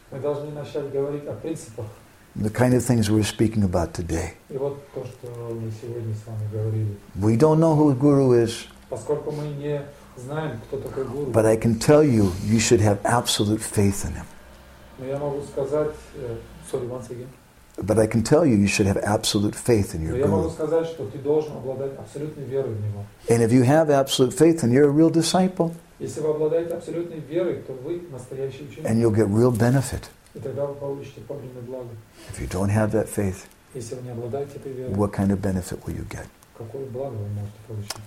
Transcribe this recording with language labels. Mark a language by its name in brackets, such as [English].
[Russian] Мы должны начать говорить о принципах. [English] The kind of things we're speaking about today. [Russian] И вот то, что мы сегодня с вами говорили. [English] We don't know who guru is. [Russian] Поскольку мы не знаем, кто такой гуру. [English] But I can tell you, you should have absolute faith in him. [Russian] Но я могу сказать, [English] sorry, once again. But I can tell you, you should have absolute faith in your guru. [Russian] Но я могу сказать, что ты должен обладать абсолютной верой в него. [English] And if you have absolute faith, then you're a real disciple. [Russian] Если вы обладаете абсолютной верой, то вы настоящий ученик. [English] And you'll get real benefit. [Russian] И тогда вы получите подлинное благо. [English] If you don't have that faith, [Russian] если вы не обладаете этой верой, [English] what kind of benefit will you get? [Russian] Какое благо вы можете получить?